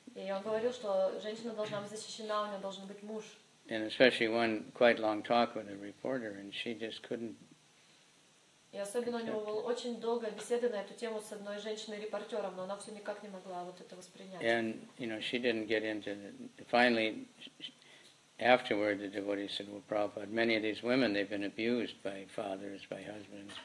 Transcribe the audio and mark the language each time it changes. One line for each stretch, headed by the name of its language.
Russian: И он говорил, что женщина должна быть защищена, у нее должен быть муж.
English: And especially one quite long talk with a reporter, and she just couldn't.
Russian: И особенно у него была очень долгая беседа на эту тему с одной женщиной-репортером, но она все никак не могла вот это воспринять.
English: And, she didn't get into it. Finally, afterward, the devotee said, well, Prabhupada, many of these women, they've been abused by fathers, by husbands.